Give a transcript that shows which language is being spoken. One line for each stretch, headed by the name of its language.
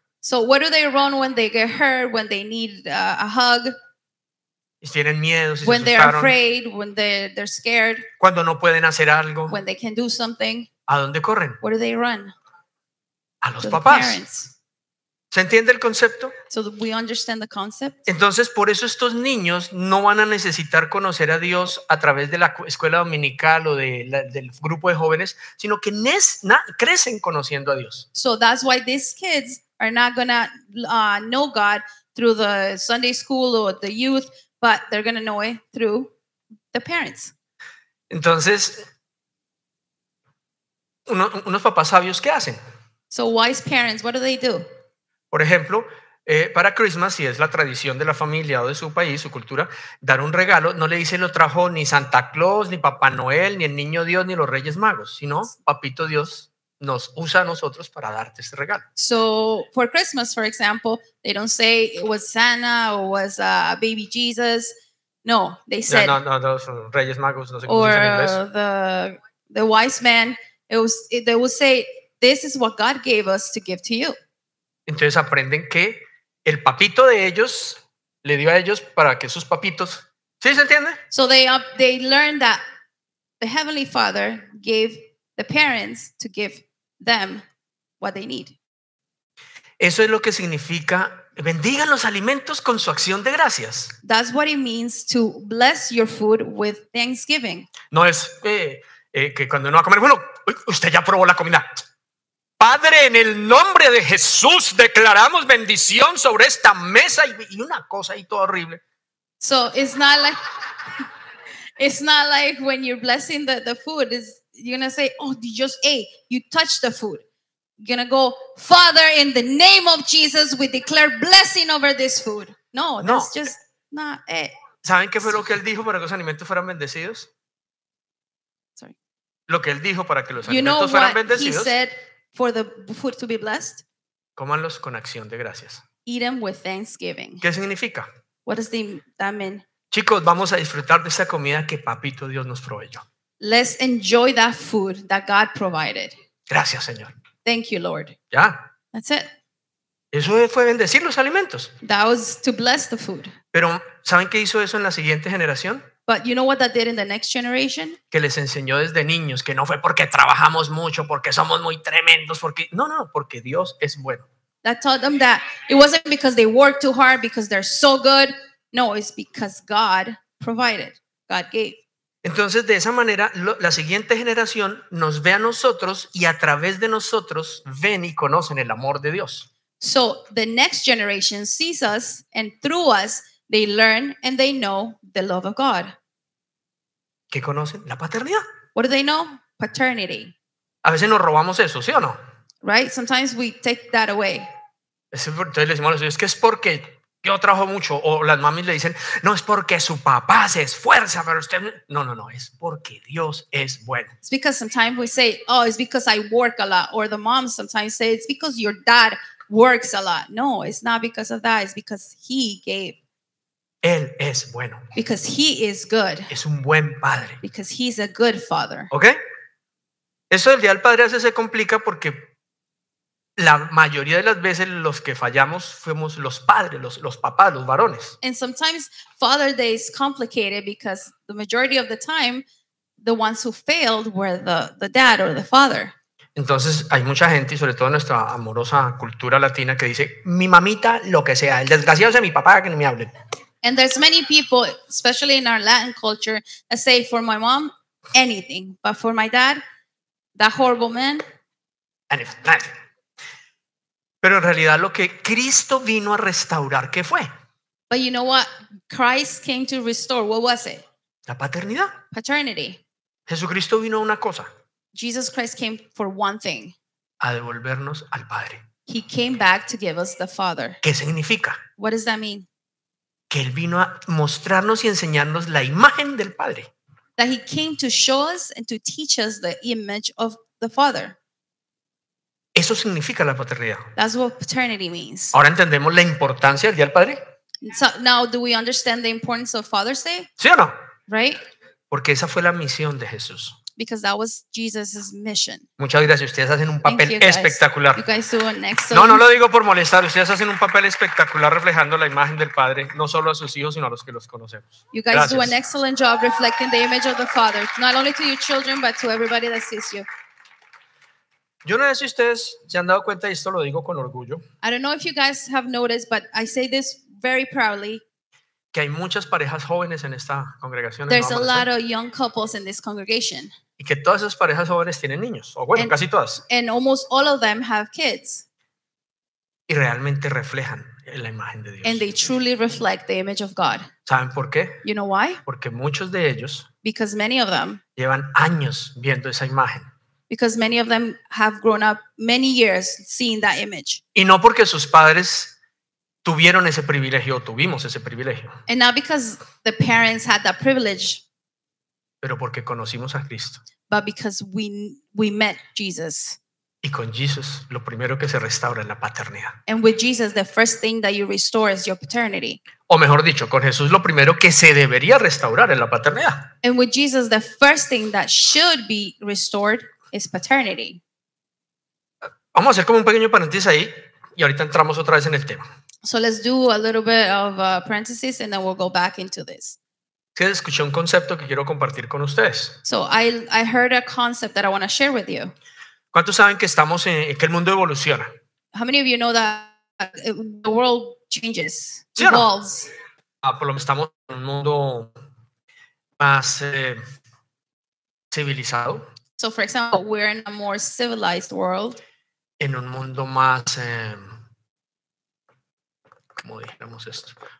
English: So where do they run when they get hurt, when they need a hug?
Spanish: Si tienen miedo, si
English: when
Spanish: se asustaron.
English: They're afraid, when they're scared.
Spanish: Cuando no pueden hacer algo.
English: When they can do something.
Spanish: ¿A dónde corren?
English: Where do they run?
Spanish: A los papás.
English: Parents.
Spanish: ¿Se entiende el concepto?
English: So we understand the concept.
Spanish: Entonces, por eso estos niños no van a necesitar conocer a Dios a través de la escuela dominical o del grupo de jóvenes, sino que crecen conociendo a Dios.
English: So that's why these kids are not going to know God through the Sunday school or the youth, but they're going to know it through the parents.
Spanish: Entonces, unos papás sabios, ¿qué hacen?
English: So wise parents, what do they do?
Spanish: Por ejemplo, para Christmas, si es la tradición de la familia o de su país, su cultura, dar un regalo, no le dice lo trajo ni Santa Claus, ni Papá Noel, ni el Niño Dios, ni los Reyes Magos, sino Papito Dios nos usa a nosotros para darte este regalo.
English: So, for Christmas, for example, they don't say it was Santa or was a baby Jesus. No, they said...
Spanish: No, son Reyes Magos, no sé cómo se dice en inglés.
English: Or the wise man, they will say, this is what God gave us to give to you.
Spanish: Entonces aprenden que el papito de ellos le dio a ellos para que sus papitos, ¿sí se entiende?
English: So they learn that the Heavenly Father gave the parents to give them what they need.
Spanish: Eso es lo que significa bendigan los alimentos con su acción de gracias.
English: That's what it means to bless your food with thanksgiving.
Spanish: No es que cuando uno va a comer, bueno, usted ya probó la comida. Padre, en el nombre de Jesús, declaramos bendición sobre esta mesa y una cosa y todo horrible.
English: So it's not like when you're blessing the food, is you're gonna say, oh, you just ate, you touched the food. You're gonna go, Father, in the name of Jesus, we declare blessing over this food. No, that's no. Just not it.
Spanish: ¿Saben qué fue lo que él dijo para que los alimentos fueran bendecidos?
English: Sorry.
Spanish: Lo que él dijo para que los
English: you
Spanish: alimentos
English: know
Spanish: fueran
English: what
Spanish: bendecidos.
English: He said, for the food to be blessed.
Spanish: Cómanlos con acción de gracias.
English: Eat them with thanksgiving.
Spanish: ¿Qué significa?
English: What does that mean?
Spanish: Chicos, vamos a disfrutar de esa comida que Papito Dios nos proveyó.
English: Let's enjoy that food that God provided.
Spanish: Gracias, Señor.
English: Thank you, Lord.
Spanish: Ya.
English: That's it.
Spanish: Eso fue bendecir los alimentos.
English: That was to bless the food.
Spanish: Pero ¿saben qué hizo eso en la siguiente generación?
English: But you know what that did in the next generation?
Spanish: Que les enseñó desde niños que no fue porque trabajamos mucho, porque somos muy tremendos, porque no, porque Dios es bueno.
English: That taught them that it wasn't because they worked too hard, because they're so good. No, it's because God provided. God gave.
Spanish: Entonces, de esa manera, la siguiente generación nos ve a nosotros y a través de nosotros ven y conocen el amor de Dios.
English: So the next generation sees us and through us they learn and they know the love of God.
Spanish: ¿Qué conocen? La paternidad.
English: What do they know? Paternity.
Spanish: A veces nos robamos eso, ¿sí o no?
English: Right? Sometimes we take that away.
Spanish: Entonces le decimos a los hijos, es que es porque Yo trabajo mucho, o las mamis le dicen, no es porque su papá se esfuerza, pero usted, no, es porque Dios es bueno.
English: It's because sometimes we say, oh, it's because I work a lot, or the moms sometimes say, it's because your dad works a lot. No, it's not because of that, it's because he gave.
Spanish: Él es bueno.
English: Because he is good.
Spanish: Es un buen padre.
English: Because he's a good father. ¿Okay?
Spanish: Eso del día del padre a veces se complica porque la mayoría de las veces los que fallamos fuimos los padres, los papás, los varones.
English: And sometimes Father's Day is complicated because the majority of the time, the ones who failed were the dad or the father.
Spanish: Entonces hay mucha gente, y sobre todo nuestra amorosa cultura latina, que dice, mi mamita, lo que sea, el desgraciado sea mi papá, que no me hablen.
English: And there's many people, especially in our Latin culture, that say, for my mom, anything. But for my dad, that horrible man. And if not.
Spanish: Pero en realidad lo que Cristo vino a restaurar, ¿qué fue?
English: But you know what? Christ came to restore. What was it?
Spanish: La paternidad.
English: Paternity.
Spanish: Jesucristo vino a una cosa.
English: Jesus Christ came for one thing.
Spanish: A devolvernos al Padre.
English: He came back to give us the Father.
Spanish: ¿Qué significa?
English: What does that mean?
Spanish: Que Él vino a mostrarnos y enseñarnos la imagen del Padre.
English: That He came to show us and to teach us the image of the Father.
Spanish: Eso significa la paternidad.
English: That's what paternity means.
Spanish: Ahora entendemos la importancia del Día del Padre.
English: So now do we understand the importance of Father's Day?
Spanish: ¿Sí o no?
English: Right?
Spanish: Porque esa fue la misión de Jesús.
English: Because that was Jesus' mission.
Spanish: Muchas gracias. Ustedes hacen un papel espectacular.
English: You guys do an excellent.
Spanish: No, no lo digo por molestar. Ustedes hacen un papel espectacular reflejando la imagen del Padre, no solo a sus hijos, sino a los que los conocemos.
English: You guys
Spanish: gracias.
English: Do an excellent job reflecting the image of the Father, not only to your children, but to everybody that sees you.
Spanish: Yo no sé si ustedes se han dado cuenta, y esto lo digo con orgullo.
English: I don't know if you guys have noticed, but I say this very proudly.
Spanish: Que hay muchas parejas jóvenes en esta congregación.
English: There's a lot of young couples in this congregation.
Spanish: Y que todas esas parejas jóvenes tienen niños. O bueno, casi todas.
English: And almost all of them have kids.
Spanish: Y realmente reflejan la imagen de Dios.
English: And they truly reflect the image of God.
Spanish: ¿Saben por qué?
English: You know why?
Spanish: Porque muchos de ellos.
English: Because many of them.
Spanish: Llevan años viendo esa imagen.
English: Because many of them have grown up many years seeing that image.
Spanish: Y no porque sus padres tuvieron ese privilegio o tuvimos ese privilegio.
English: And not because the parents had that privilege.
Spanish: Pero porque conocimos a Cristo.
English: But because we met Jesus.
Spanish: Y con Jesus, lo primero que se restaura es la paternidad.
English: And with Jesus, the first thing that you restore is your paternity.
Spanish: O mejor dicho, con Jesús lo primero que se debería restaurar es la paternidad.
English: And with Jesus, the first thing that should be restored is paternity.
Spanish: Vamos a hacer como un pequeño paréntesis ahí y ahorita entramos otra vez en el tema.
English: So let's do a little bit of a parenthesis and then we'll go back into this.
Spanish: Sí, escuché un concepto que quiero compartir con ustedes.
English: So I heard a concept that I want to share with you.
Spanish: ¿Cuántos saben que estamos en que el mundo evoluciona?
English: How many of you know that the world changes,
Spanish: ¿sí
English: evolves? No?
Spanish: Por lo menos estamos en un mundo más civilizado.
English: So for example, we're in a more civilized world.
Spanish: En un mundo más ¿cómo dijéramos esto?